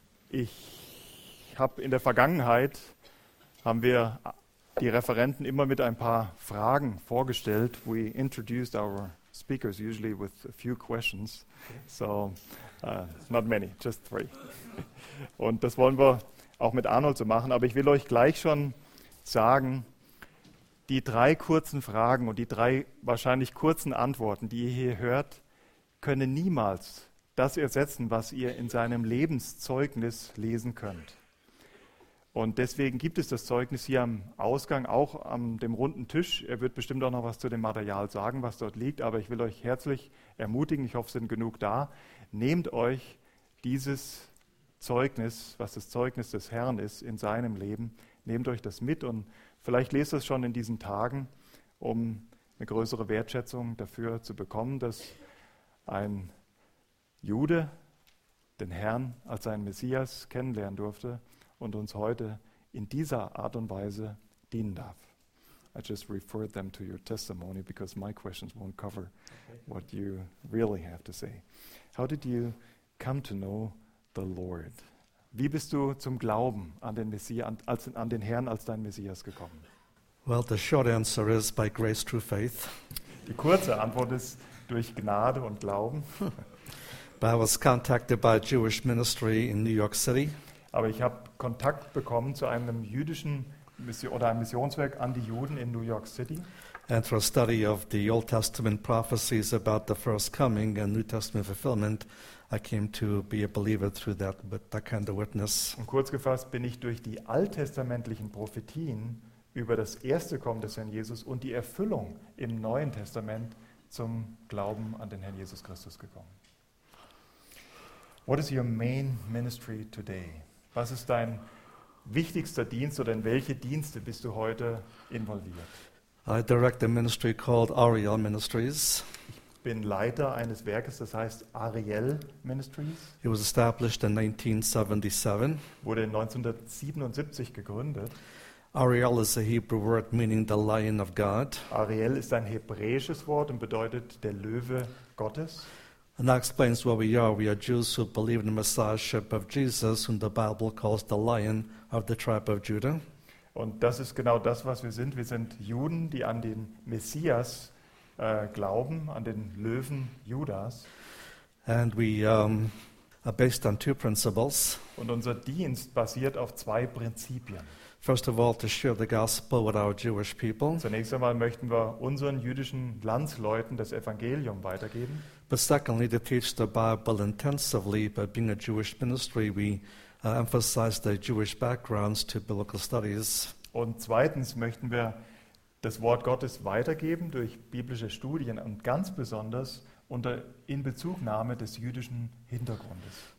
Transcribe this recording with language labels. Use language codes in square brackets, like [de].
[de] Ich habe in der Vergangenheit, haben wir die Referenten immer mit ein paar Fragen vorgestellt. [en] We introduced our speakers usually with a few questions. So, not many, just three. [de] Und das wollen wir auch mit Arnold so machen. Aber ich will euch gleich schon sagen, die drei kurzen Fragen und die drei wahrscheinlich kurzen Antworten, die ihr hier hört, können niemals das ersetzen, was ihr in seinem Lebenszeugnis lesen könnt. Und deswegen gibt es das Zeugnis hier am Ausgang, auch an dem runden Tisch. Er wird bestimmt auch noch was zu dem Material sagen, was dort liegt. Aber ich will euch herzlich ermutigen, ich hoffe, es sind genug da. Nehmt euch dieses Zeugnis, was das Zeugnis des Herrn ist in seinem Leben, nehmt euch das mit und vielleicht lest es schon in diesen Tagen, um eine größere Wertschätzung dafür zu bekommen, dass ein Jude den Herrn als seinen Messias kennenlernen durfte und uns heute in dieser Art und Weise dienen darf. [en] I just referred them to your testimony because my questions won't cover what you really have to say. How did you come to know the Lord? [de] Wie bist du zum Glauben an den Messias, an den Herrn als deinen Messias gekommen? [en] Well, the short answer is by grace through faith. [de] Die kurze Antwort ist durch Gnade und Glauben. [en] But I was contacted by a Jewish ministry in New York City. [de] Aber ich habe Kontakt bekommen zu einem jüdischen Mission oder einem Missionswerk an die Juden in New York City. [en] And through a study of the Old Testament prophecies about the first coming and New Testament fulfillment, I came to be a believer through that kind of witness. [de] Und kurz gefasst bin ich durch die alttestamentlichen Prophetien über das erste Kommen des Herrn Jesus und die Erfüllung im Neuen Testament zum Glauben an den Herrn Jesus Christus gekommen. [en] What is your main ministry today? [de] Was ist dein wichtigster Dienst oder in welche Dienste bist du heute involviert? [en] I direct a ministry called Ariel Ministries. [de] Ich bin Leiter eines Werkes, das heißt Ariel Ministries. [en] It was established in 1977. [de] Wurde 1977 gegründet. [en] Ariel is a Hebrew word meaning the lion of God. [de] Ariel ist ein hebräisches Wort und bedeutet der Löwe Gottes. [en] And that explains where we are. We are Jews who believe in the Messiahship of Jesus, whom the Bible calls the Lion of the Tribe of Judah. [de] Und das ist genau das, was wir sind. Wir sind Juden, die an den Messias glauben, an den Löwen Judas. [en] And we are based on two principles. [de] Und unser Dienst basiert auf zwei Prinzipien. [en] First of all, to share the gospel with our Jewish people. [de] Zunächst einmal möchten wir unseren jüdischen Landsleuten das Evangelium weitergeben. [en] But secondly, to teach the Bible intensively. By being a Jewish ministry, we emphasize the Jewish backgrounds to biblical studies. [de] Und zweitens möchten wir das Wort Gottes weitergeben durch biblische Studien und ganz besonders unter Inbezugnahme des jüdischen Hintergrundes.